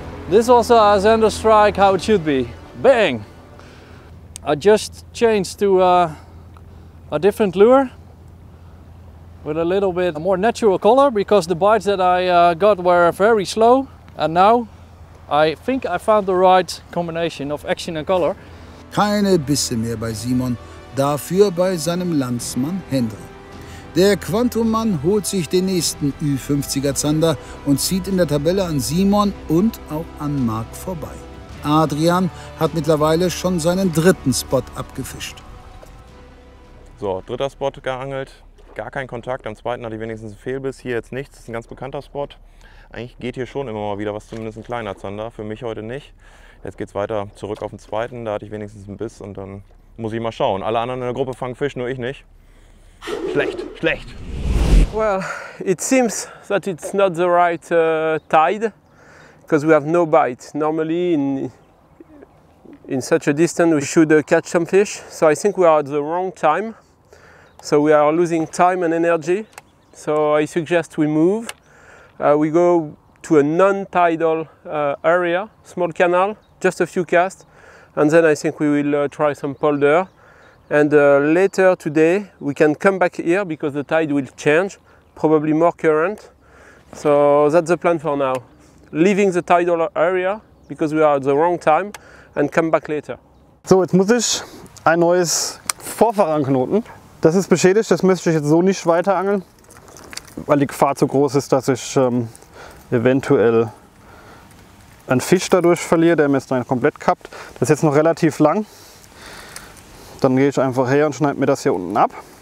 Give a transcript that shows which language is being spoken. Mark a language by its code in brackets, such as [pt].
[en] This also has zander strike how it should be. Bang! I just changed to a different lure with a little bit more natural color because the bites that I got were very slow, and now I think I found the right combination of action and color. [de] Keine Bisse mehr bei Simon, dafür bei seinem Landsmann Hendrik. Der Quantum-Mann holt sich den nächsten Ü50er Zander und zieht in der Tabelle an Simon und auch an Marc vorbei. Adrian hat mittlerweile schon seinen dritten Spot abgefischt. So, dritter Spot geangelt. Gar keinen Kontakt. Am zweiten hatte ich wenigstens einen Fehlbiss. Hier jetzt nichts. Das ist ein ganz bekannter Spot. Eigentlich geht hier schon immer mal wieder was, zumindest ein kleiner Zander. Für mich heute nicht. Jetzt geht es weiter zurück auf den zweiten. Da hatte ich wenigstens einen Biss und dann muss ich mal schauen. Alle anderen in der Gruppe fangen Fisch, nur ich nicht. Schlecht, schlecht. [en] Well, it seems that it's not the right tide, because we have no bite. Normally in such a distance we should catch some fish. So I think we are at the wrong time. So we are losing time and energy. So I suggest we move. We go to a non-tidal area, small canal, just a few casts, and then I think we will try some polder. And later today we can come back here because the tide will change, probably more current. So that's the plan for now. Leaving the tidal area because we are at the wrong time and come back later. [de] So, jetzt muss ich ein neues Vorfach anknoten. Das ist beschädigt, das müsste ich jetzt so nicht weiter angeln, weil die Gefahr zu groß ist, dass ich eventuell einen Fisch dadurch verliere, der mir jetzt dann komplett kappt. Das ist jetzt noch relativ lang. Dann gehe ich einfach her und schneide mir das hier unten ab.